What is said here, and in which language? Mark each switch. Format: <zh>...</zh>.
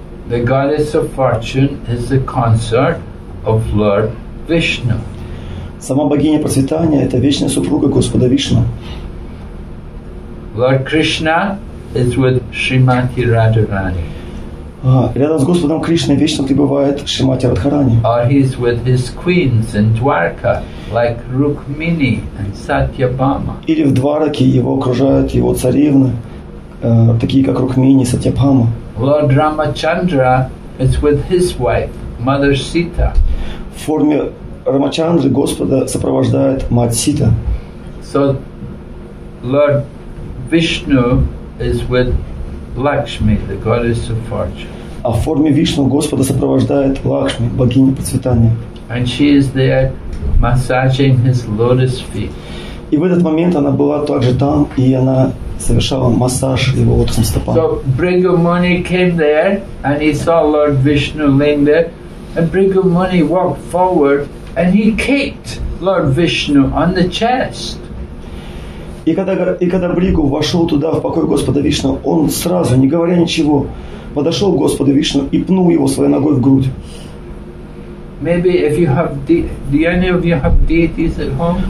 <en>The goddess of fortune is the consort of Lord Vishnu.</en> <ru>Сама богиня процветания — это вечная супруга Господа Вишну.</ru> <en>Lord Krishna is with Shrimati Radharani.</en> <ru>Рядом с Господом Кришной вечно пребывает Шримати Радхарани.</ru> <en>Or he is with his queens in Dwarka, like Rukmini and Satyabhama.</en> <ru>Или в Двараке его окружают его царевны, такие как Рукмини и Сатьябхама.</ru> <en>Lord Ramachandra is with his wife, Mother Sita.</en> <ru>В форме Рамачандры Господа сопровождает мать Сита.</ru> <en>So Lord Vishnu is with Lakshmi, the goddess of fortune.</en> <ru>А в форме Вишну Господа сопровождает Лакшми, богиня процветания.</ru> <en>And she is there massaging his lotus feet.</en> <ru>И в этот момент она была также там, и она совершала массаж его лотосным стопам.</ru> <en>So Bhrigu Muni came there, and he saw Lord Vishnu laying there, and Bhrigu Muni walked forward, and he kicked Lord Vishnu on the chest.</en> <ru>И когда Бригу вошел туда, в покой Господа Вишну, он сразу, не говоря ничего, подошел к Господу Вишну и пнул его своей ногой в грудь.</ru> <en>Maybe if you have do any of you have deities at home?</en>